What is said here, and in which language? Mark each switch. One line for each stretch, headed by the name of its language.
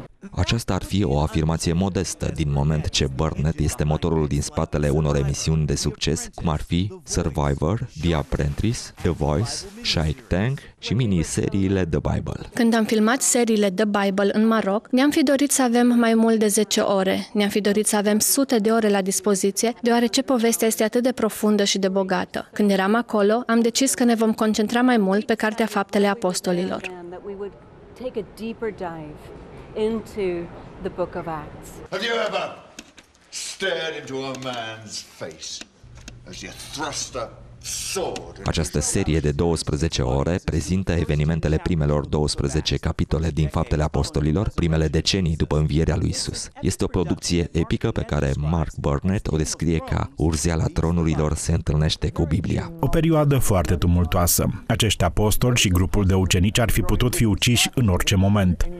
Romanian: Aceasta ar fi o afirmație modestă din moment ce Burnett este motorul din spatele unor emisiuni de succes, cum ar fi Survivor, The Apprentice, The Voice, Shark Tank și miniseriile The Bible. Când am filmat seriile The Bible în Maroc, ne-am fi dorit să avem mai mult de 10 ore. Ne-am fi dorit să avem sute de ore la dispoziție, deoarece povestea este atât de profundă și de bogată. Când eram acolo, am decis că ne vom concentra mai mult pe Cartea Faptele Apostolilor.
English: Take a deeper dive into the book of Acts. Have you ever stared into a man's face as you thrust a sword.
Romanian: Această serie de 12 ore prezintă evenimentele primelor 12 capitole din Faptele Apostolilor, primele decenii după învierea lui Isus. Este o producție epică pe care Mark Burnett o descrie ca urzeala tronurilor se întâlnește cu Biblia. O perioadă foarte tumultoasă. Acești apostoli și grupul de ucenici ar fi putut fi uciși în orice moment.